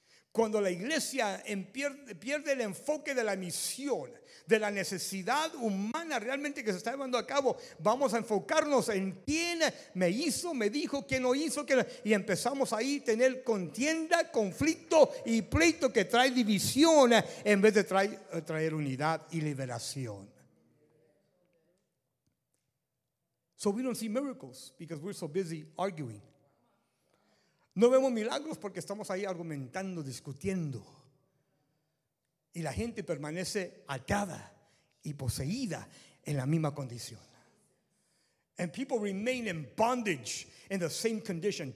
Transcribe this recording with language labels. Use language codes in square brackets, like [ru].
[es] Cuando la iglesia pierde el enfoque de la misión, de la necesidad humana realmente que se está llevando a cabo, vamos a enfocarnos en quién me hizo, me dijo, quién no hizo, quién, y empezamos ahí a tener contienda, conflicto y pleito que trae división en vez de traer unidad y liberación. [en] So we don't see miracles because we're so busy arguing. [es] No vemos milagros porque estamos ahí argumentando, discutiendo. Y la gente permanece atada y poseída en la misma condición. [en] And people remain in bondage in the same condition.